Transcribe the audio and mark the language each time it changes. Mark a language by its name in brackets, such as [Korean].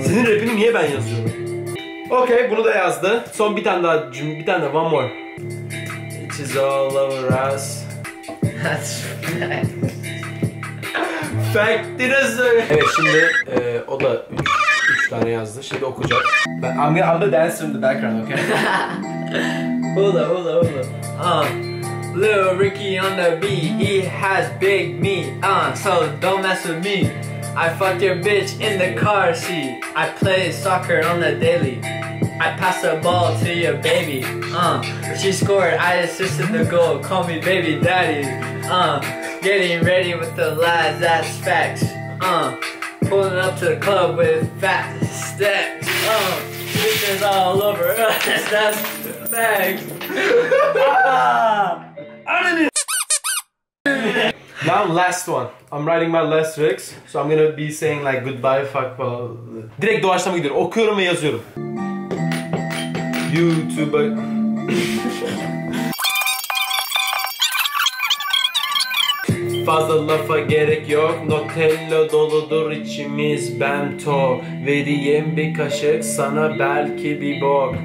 [Turkish] Senin rapini niye ben yazıyorum? Okay, bunu da yazdı. Son bir tane daha cümle, bir tane daha, [English] one more. It is all over us. That's fact. Fact it is. [Turkish] Evet, şimdi o da 3 tane yazdı. Şimdi okuyacak. [English] I'm the dancer in the background, okay? Hold on. Little Ricky on the beat, he has big meat, so don't mess with me. I fuck your bitch in the car seat. I play soccer on the daily. I pass the ball to your baby. She scored, I assisted the goal. Call me baby daddy. Getting ready with the lads, that's facts. Pulling up to the club with fat steps. bitches all over us. That's thanks. Now last one. I'm writing my last lyrics, so I'm gonna be saying like goodbye, fuck well. [Turkish] Direkt doğaçlama gidiyorum. Okuyorum ve yazıyorum. YouTube. Fazla lafa gerek yok, Nutella doludur içimiz, bento. Vereyim bir kaşık sana, belki bir bok.